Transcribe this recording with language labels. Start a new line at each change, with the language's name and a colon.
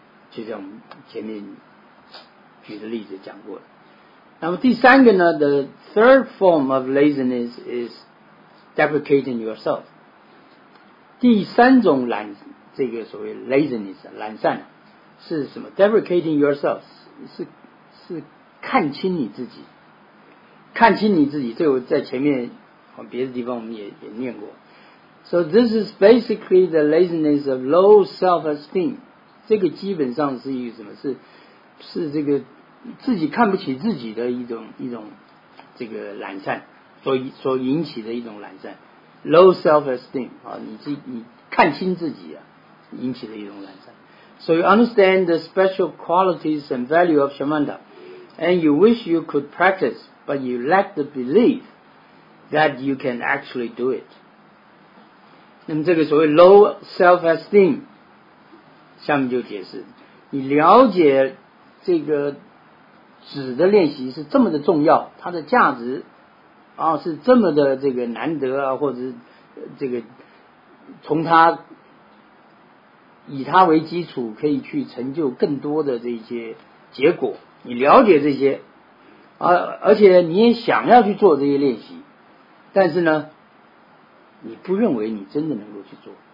Chinese: 就像我们前面举的例子讲过的。那么第三个呢
English: ,the third form of laziness is deprecating yourself.
Chinese: 第三种懒这个所谓 laziness, 懒散是什么 ?
English: deprecating yourself,
Chinese: 是看清你自己。看清你自己这个在前面别的地方我们也念过。
English: So this is basically the laziness of low self-esteem.
Chinese: 这个基本上是一个什么？是这个自己看不起自己的一种这个懒散，所引起的一种懒散 ，low self esteem 啊，你看清自己啊，引起的一种懒散。
English: So you understand the special qualities and value of Shamatha, and you wish you could practice, but you lack the belief that you can actually do it.
Chinese: 那么这个所谓 low self esteem。下面就解释，你了解这个止的练习是这么的重要，它的价值啊是这么的这个难得啊，或者这个从它以它为基础可以去成就更多的这些结果，你了解这些啊，而且你也想要去做这些练习，但是呢，你不认为你真的能够去做。